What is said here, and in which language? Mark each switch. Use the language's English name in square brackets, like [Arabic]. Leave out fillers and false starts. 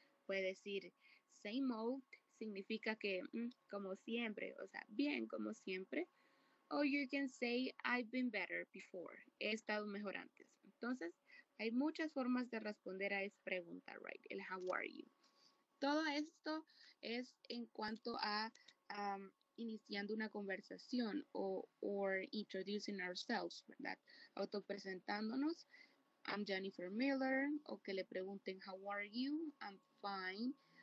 [Spanish] Puede decir, [English] same old, [Spanish] significa que, como siempre, o sea, bien, como siempre. [English] O you can say, I've been better before, [Spanish] he estado mejor antes. Entonces, hay muchas formas de responder a esa pregunta, right? El [English] how are you. [Spanish] Todo esto es en cuanto a iniciando una conversación o [English] introducing ourselves, [Spanish] ¿verdad? Autopresentándonos. [English] I'm Jennifer Miller, [Spanish] o que le pregunten, [English] how are you? I'm fine.